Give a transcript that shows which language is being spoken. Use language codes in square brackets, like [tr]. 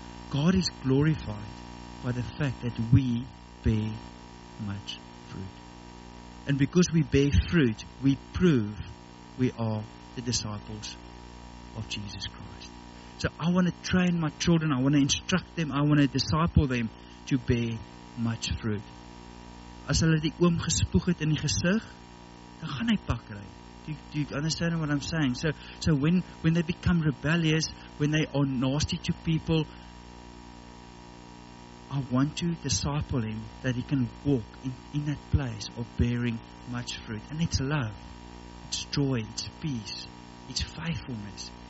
[en] God is glorified by the fact that we bear much fruit. And because we bear fruit, we prove we are the disciples of Jesus Christ. So I want to train my children. I want to instruct them. I want to disciple them to bear much fruit. [af] As hulle die oom gespoeg het in die gesig, dan gaan hy pak ry. [en] Do you understand what I'm saying? So when they become rebellious, when they are nasty to people, I want to disciple him that he can walk in that place of bearing much fruit. And it's love. It's joy. It's peace. It's faithfulness.